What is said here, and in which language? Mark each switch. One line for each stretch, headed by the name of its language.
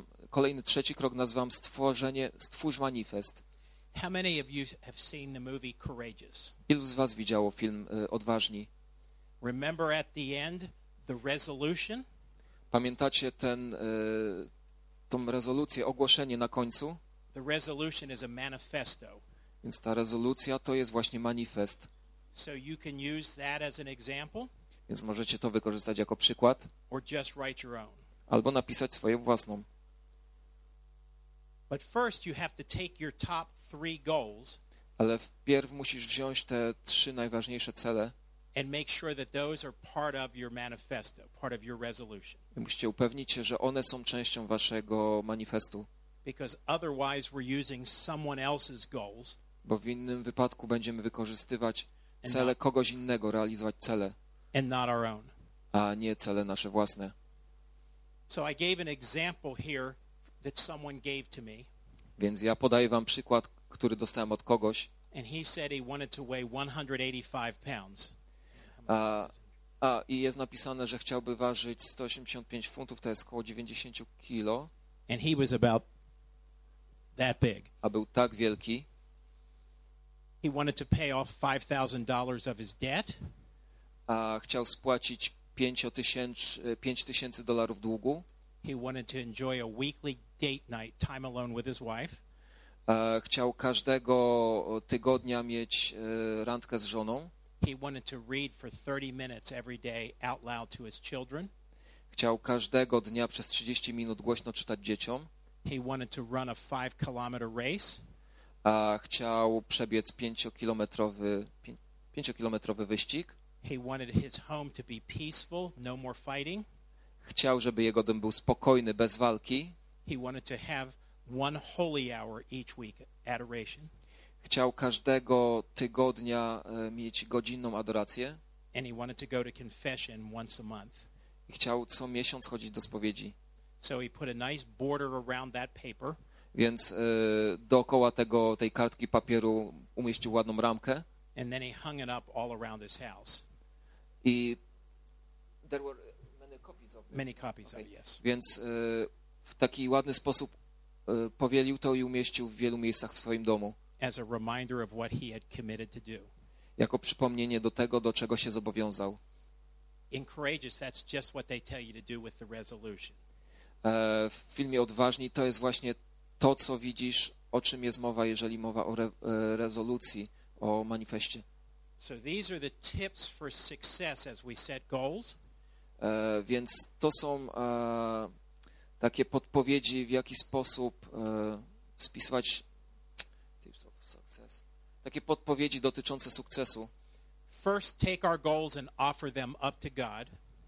Polish: Kolejny trzeci krok nazywam stwórz manifest.
English: How many of you have seen the movie Courageous?
Polish: Ilu z was widziało film Odważni?
English: Remember at the end the resolution?
Polish: Pamiętacie ten tą rezolucję, ogłoszenie na końcu.
English: The resolution is a manifesto.
Polish: Więc ta rezolucja to jest właśnie manifest.
English: So you can use that as an example.
Polish: Więc możecie to wykorzystać jako przykład.
English: Or just write your own.
Polish: Albo napisać swoją własną.
English: But first you have to take your top three goals.
Polish: Ale wpierw musisz wziąć te trzy najważniejsze cele.
English: And make sure that those are part of your manifesto, part of your resolution.
Polish: I musicie upewnić się, że one są częścią waszego manifestu.
English: Because otherwise we're using someone else's goals.
Polish: Bo w innym wypadku będziemy wykorzystywać cele kogoś innego, realizować cele.
English: And not our own.
Polish: A nie cele nasze własne.
English: So I gave an example here that someone gave to me.
Polish: Więc ja podaję wam przykład, który dostałem od kogoś.
English: And he said he wanted to weigh 185 pounds.
Polish: I jest napisane, że chciałby ważyć 185 funtów, to jest około 90 kilo.
English: And he was about that big.
Polish: A był tak wielki.
English: He wanted to pay off $5,000 of his debt.
Polish: A chciał spłacić $5,000 długu.
English: He wanted to enjoy a weekly date night, time alone with his wife.
Polish: Chciał każdego tygodnia mieć randkę z żoną.
English: He wanted to read for 30 minutes every day out loud to his children.
Polish: Chciał każdego dnia przez 30 minut głośno czytać dzieciom.
English: He wanted to run a 5-kilometer race.
Polish: A chciał przebiec 5-kilometrowy wyścig.
English: He wanted his home to be peaceful, no more fighting.
Polish: chciał, żeby jego dom był spokojny, bez walki.
English: He wanted to have one holy hour each week, adoration.
Polish: Chciał każdego tygodnia mieć godzinną adorację.
English: And he wanted to go to confession once a month.
Polish: I chciał co miesiąc chodzić do spowiedzi.
English: So he put a nice border around that paper.
Polish: Więc dookoła tego, tej kartki papieru umieścił ładną ramkę.
English: And then he hung it up all around his house. I there were many copies of it. Many copies, okay. Of it, yes.
Polish: Więc w taki ładny sposób powielił to i umieścił w wielu miejscach w swoim domu.
English: As a reminder of what he had committed to do.
Polish: Jako przypomnienie do tego, do czego się zobowiązał.
English: Encourages, that's just what they tell you to do with the resolution.
Polish: W filmie Odważni to jest właśnie to, co widzisz, o czym jest mowa, jeżeli mowa o rezolucji, o manifestie.
English: So these are the tips for success as we set goals.
Polish: Więc to są takie podpowiedzi, w jaki sposób spisywać
English: tips of success.
Polish: Takie podpowiedzi dotyczące sukcesu.
English: First, take our goals and offer them up to God.